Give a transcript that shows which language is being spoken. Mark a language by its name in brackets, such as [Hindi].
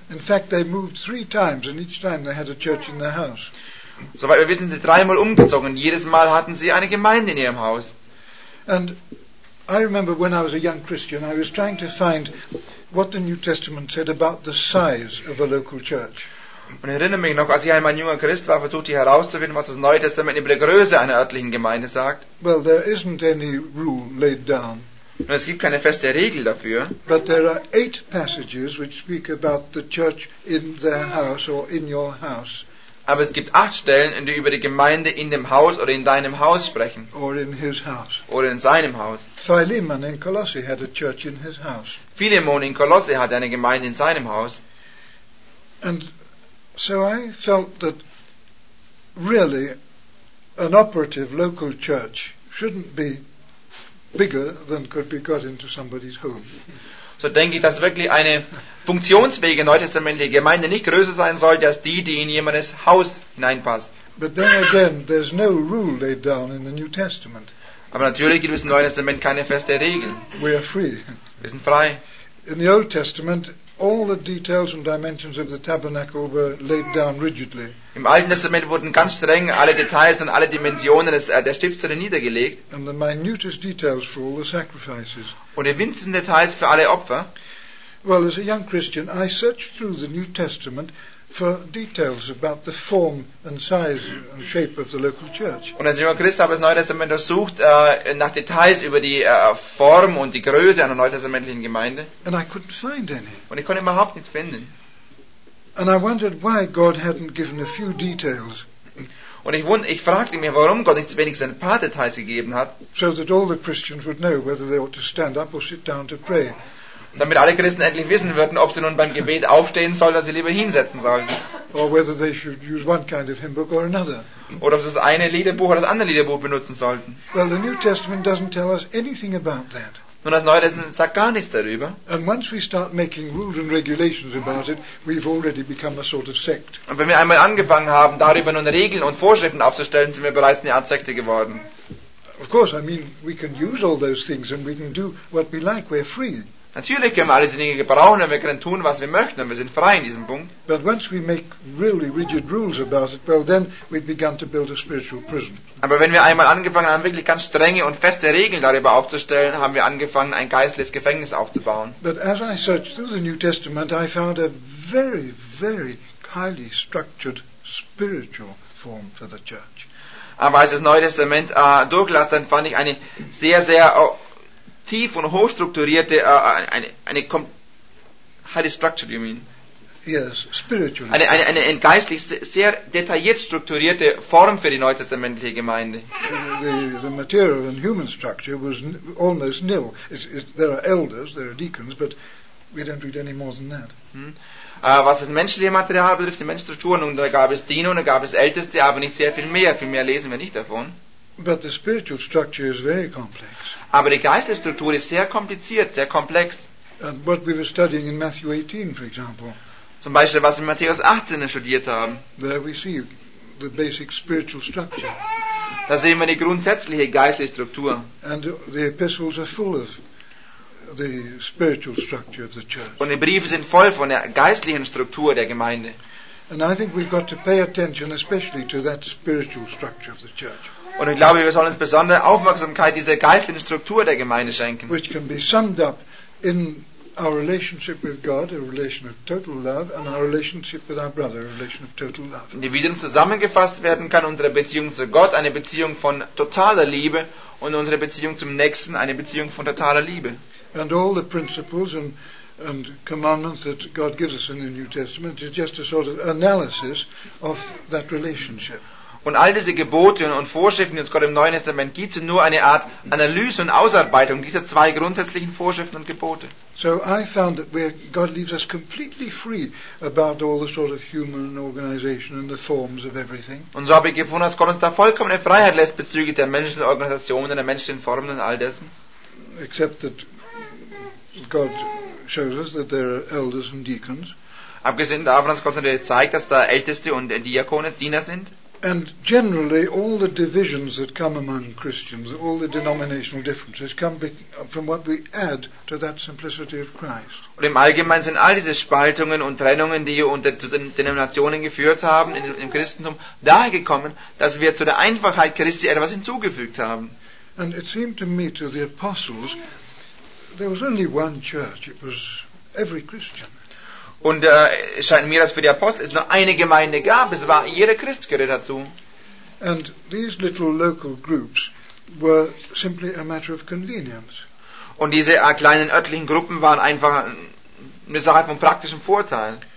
[English] In fact, they moved 3 times, and each time they had a church in their house. [German] Soweit wir wissen, sind sie 3 Mal umgezogen. Jedes Mal hatten sie eine Gemeinde in ihrem Haus. [English] And I remember when I was a young Christian, I was trying to find what the New Testament said about the size of a local church. [German] Und ich erinnere mich noch, als ich einmal ein junger Christ war, versuchte ich herauszufinden, was das Neue Testament über die Größe einer örtlichen Gemeinde sagt. [English] Well, there isn't any rule laid down. [German] Und es gibt keine feste Regel dafür. [English] But there are 8 passages which speak about the church in their house or in your house. [German] Aber es gibt 8 Stellen, in die über die Gemeinde in dem Haus oder in deinem Haus sprechen. [English] Or in his house. [German] Oder in seinem Haus. [English] Philemon in Colossae had a church in his house. [German] Philemon in Colossae hatte eine Gemeinde in seinem Haus. [English] And so I felt that really an operative local church shouldn't be bigger than could be got into somebody's home. [German] So denke ich, dass wirklich eine funktionsfähige neutestamentliche Gemeinde nicht größer sein sollte als die in jemandes Haus hineinpasst. [English] But then again, there's no rule laid down in the New Testament. [German] Aber natürlich gibt es im Neuen Testament keine feste Regel. [English] We are free. [German] Wir sind frei. [English] In the Old Testament, all the details and dimensions of the tabernacle were laid down rigidly. [German] Im Alten Testament wurden ganz streng alle Details und alle Dimensionen der Stiftshütte niedergelegt. [English] And the minutest details for all the sacrifices. [German] Und die winzigen Details für alle Opfer. [English] Well, as a young Christian, I searched through the New Testament for details about the form and size and shape of the local church. [German] Und als junger Christ habe ich das Neue Testament untersucht nach Details über die Form und die Größe einer neutestamentlichen Gemeinde. [English] And I couldn't find any. [German] Und ich konnte überhaupt nichts finden. [English] And I wondered why God hadn't given a few details. [German] Und ich fragte mich, warum Gott nicht wenigstens ein paar Details gegeben hat. [English] So that all the Christians would know whether they ought to stand up or sit down to pray. [German] Damit alle Christen endlich wissen würden, ob sie nun beim Gebet aufstehen sollen oder sie lieber hinsetzen sollen. [English] Or whether they should use one kind of hymn book or another. [German] Oder ob sie das eine Liederbuch oder das andere Liederbuch benutzen sollten. [English] Well, the New Testament doesn't tell us anything about that. [German] Nun, das Neue Testament sagt gar nichts darüber. [English] And once we start making rules and regulations about it, we've already become a sort of sect. [German] Und wenn wir einmal angefangen haben, darüber nun Regeln und Vorschriften aufzustellen, sind wir bereits eine Art Sekte geworden. [English] Of course, I mean, we can use all those things and we can do what we like. We're free. [German] Natürlich können wir alles Dinge gebrauchen und wir können tun, was wir möchten und wir sind frei in diesem Punkt. [English] But once we make really rigid rules about it, well then we've begun to build a spiritual prison. [German] Aber wenn wir einmal angefangen haben, wirklich ganz strenge und feste Regeln darüber aufzustellen, haben wir angefangen, ein geistliches Gefängnis aufzubauen. [English] But as I searched through the New Testament, I found a very, very highly structured spiritual form for the church. [German] Aber als ich das Neue Testament durchlas, dann fand ich eine sehr, sehr tief und hochstrukturierte [English] highly structured, you mean? Yes, spiritual. [German] Eine geistlich sehr detailliert strukturierte Form für die neutestamentliche Gemeinde. [English] The material and human structure was almost nil. There are elders, there are deacons, but we don't read any more than that. [German] Was das menschliche Material betrifft, die menschliche Struktur, nun, da gab es Diener und da gab es Älteste, aber nicht sehr viel mehr. Viel mehr lesen wir nicht davon. [English] But the spiritual structure is very complex. [German] Aber die geistliche Struktur ist sehr kompliziert, sehr komplex. [English] And what we were studying in Matthew 18, for example. [German] Zum Beispiel, was wir in Matthäus 18 studiert haben. [English] There we see the basic spiritual structure. [German] Da sehen wir die grundsätzliche geistliche Struktur. [English] And the epistles are full of the spiritual structure of the church. [German] Und die Briefe sind voll von der geistlichen Struktur der Gemeinde. [English] And I think we've got to pay attention especially to that spiritual structure of the church. [German] Und ich glaube, wir sollen uns besondere Aufmerksamkeit dieser geistlichen Struktur der Gemeinde schenken. [English] Which can be summed up in our relationship with God, a relation of total love, and our relationship with our brother, a relation of total love. [German] Die wiederum zusammengefasst werden kann, unsere Beziehung zu Gott, eine Beziehung von totaler Liebe, und unsere Beziehung zum Nächsten, eine Beziehung von totaler Liebe. [English] And all the principles and commandments that God gives us in the New Testament is just a sort of analysis of that relationship. [German] Und all diese Gebote und Vorschriften, die uns Gott im Neuen Testament gibt, sind nur eine Art Analyse und Ausarbeitung dieser zwei grundsätzlichen Vorschriften und Gebote. [English] So I found that God leaves us completely free about all the sort of human organization and the forms of everything. [German] Und so habe ich gefunden, dass Gott uns da vollkommene Freiheit lässt bezüglich der menschlichen Organisation, der menschlichen Formen und all dessen. [English] Except that God shows us that there are elders and deacons. [German] Abgesehen davon, dass Gott natürlich zeigt, dass da Älteste und Diakone, Diener sind. [English] And generally, all the divisions that come among Christians, all the denominational differences, come from what we add to that simplicity of Christ. [German] Und im Allgemeinen sind all diese Spaltungen und Trennungen, die unter zu den Denominationen geführt haben im Christentum, daher gekommen, dass wir zu der Einfachheit Christi etwas hinzugefügt haben. [English] And it seemed to me, to the apostles, there was only one church. It was every Christian. [German] Und es scheint mir, dass für die Apostel es nur eine Gemeinde gab. Es war jeder Christ gehörte dazu. [English] And these little local groups were simply a matter of convenience. [German] Und diese kleinen örtlichen Gruppen waren einfach eine Sache von praktischem Vorteil.